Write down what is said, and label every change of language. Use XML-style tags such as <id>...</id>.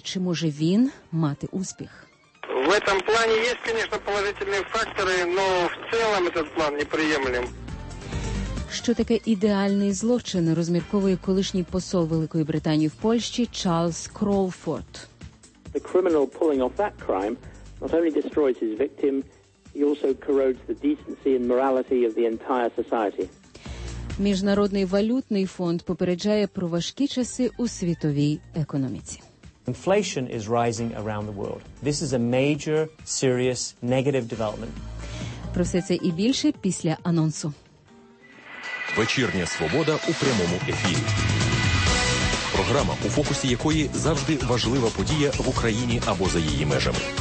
<uk>Чи може він мати успіх? В цьому плані є, звісно, положительні фактори, але в цілому цей план неприємлив. Що таке ідеальний злочин, розмірковує колишній посол Великої Британії в Польщі Чарльз Кроуфорд.</uk> <en>The criminal pulling off that crime not only destroys his victim, he also corrodes the decency and morality of the entire society.</en> <uk>Міжнародний валютний фонд попереджає про важкі часи у світовій економіці.</uk> <en>Inflation is rising around the world. This is a major, serious, negative development.</en> <uk>Про все це і більше після анонсу. Вечірня свобода у прямому ефірі. Програма, у фокусі якої завжди важлива подія в Україні або за її межами.</uk>